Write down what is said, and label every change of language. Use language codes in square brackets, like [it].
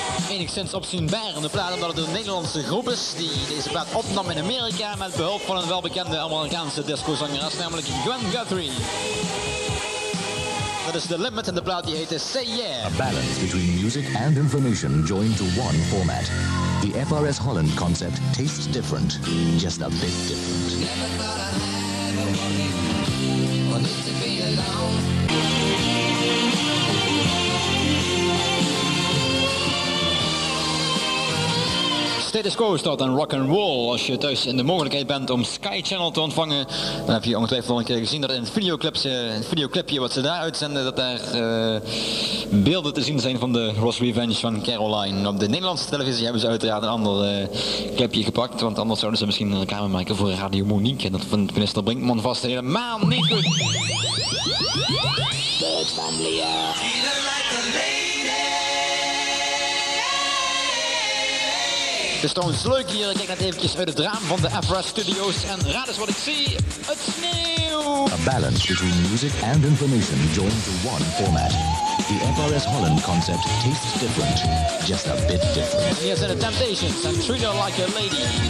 [nl] Enigszins opzienbarende plaat, omdat het een Nederlandse groep is die deze plaat opnam in Amerika met behulp van een welbekende Amerikaanse discozangeres, namelijk Gwen Guthrie. Dat is The Limit en de plaat die heette Say Yeah. [en] A balance between music and information joined to one format. The FRS Holland concept tastes different, just a bit different. [nl] Status quo staat aan rock and roll. Als je thuis in de mogelijkheid bent om Sky Channel te ontvangen, dan heb je ongetwijfeld al een keer gezien dat in het videoclipje wat ze daar uitzenden, dat daar beelden te zien zijn van de Ross Revenge van Caroline. Op de Nederlandse televisie hebben ze uiteraard een ander clipje gepakt, want anders zouden ze misschien een reclame maken voor Radio Monique. En dat vindt minister Brinkman vast helemaal niet goed. Het is trouwens leuk hier, ik kijk net eventjes uit het raam van de Everest Studios en raad eens wat ik zie, het sneeuw! [en] A balance between music and information joined to one format. The Everest Holland concept tastes different, just a bit different. Here's the Temptations and Treat Her Like a Lady.